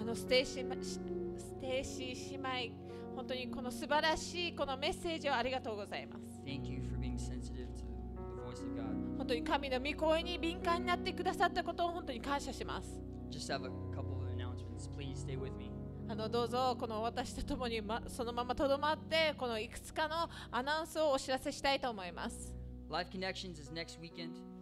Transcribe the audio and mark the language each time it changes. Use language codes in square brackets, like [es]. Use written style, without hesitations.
[ja] ステーシー姉妹、本当にこの素晴らしいこのメッセージをありがとうございます。 [en] Thank you for being sensitive to the voice of God. [ja] 本当に神の御声に敏感になってくださったことを本当に感謝します。 [en] Just have a couple of announcements. Please stay with me. [ja] あのどうぞこの私と共にそのままとどまってこのいくつかのアナウンスをお知らせしたいと思います。 [en] Life Connections is next weekend.